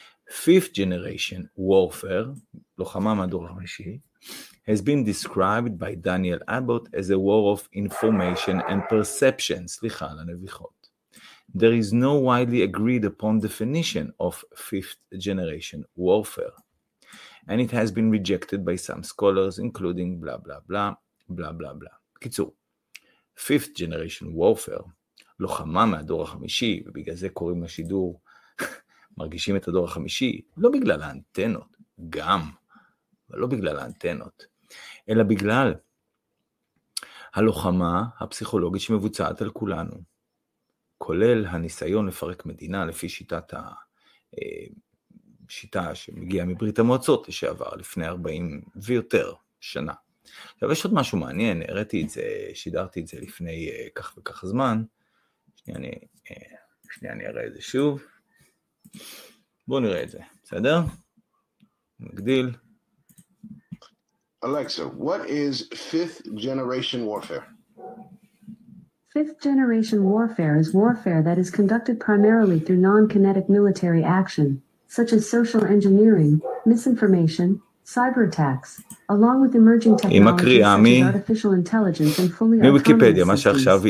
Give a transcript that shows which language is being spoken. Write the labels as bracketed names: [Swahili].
[English] Fifth generation warfare, [Hebrew] לוחמה מהדור החמישי, [English] has been described by Daniel Abbott as a war of information and perception, [Hebrew] סליחה על הנביחות. [English] There is no widely agreed upon definition of fifth generation warfare, and it has been rejected by some scholars, including blah, blah, blah, blah, blah, blah. [Hebrew] קיצור, [English] fifth generation warfare, [Hebrew] לוחמה מהדור החמישי, ובגלל זה קוראים לשידור, מרגישים את הדור החמישי, לא בגלל האנטנות, גם, אבל לא בגלל האנטנות, אלא בגלל הלוחמה הפסיכולוגית שמבוצעת על כולנו, כולל הניסיון לפרק מדינה לפי שיטת השיטה שמגיעה מברית המועצות לשעבר, לפני 40 ויותר שנה. עכשיו יש עוד משהו מעניין, הראיתי את זה, שידרתי את זה לפני כך וכך זמן, שנייה אני אראה את זה שוב, בואו נראה את זה, בסדר? מגדיל. [English] Alexa, what is fifth generation warfare? Fifth generation warfare is warfare that is conducted primarily through non-kinetic military action, such as social engineering, misinformation, cyber attacks, along with emerging technologies such as artificial intelligence and fully autonomous systems.